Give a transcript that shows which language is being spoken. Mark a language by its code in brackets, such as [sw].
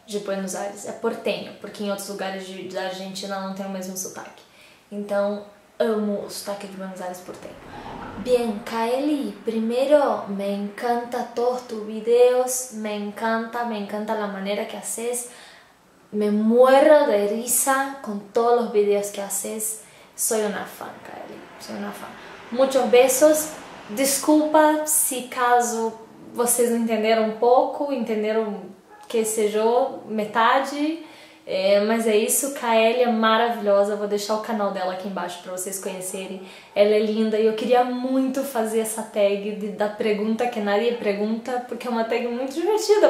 [pt] De Buenos Aires, é porteño, porque em outros lugares da Argentina não tem o mesmo sotaque. Então, amo o sotaque de Buenos Aires porteño. [es] Bien, Kaeli, primeiro, me encanta todos tus videos, me encanta la manera que haces, me muero de risa con todos los videos que haces, soy una fan, Kaeli, soy una fan. Muchos besos, disculpa si caso [pt] vocês não entenderam um pouco, entenderam. Que seja metade, mas é isso. Kaeli é maravilhosa. Vou deixar o canal dela aqui embaixo para vocês conhecerem. Ela é linda e eu queria muito fazer essa tag da pergunta que nadie pergunta, porque é uma tag muito divertida.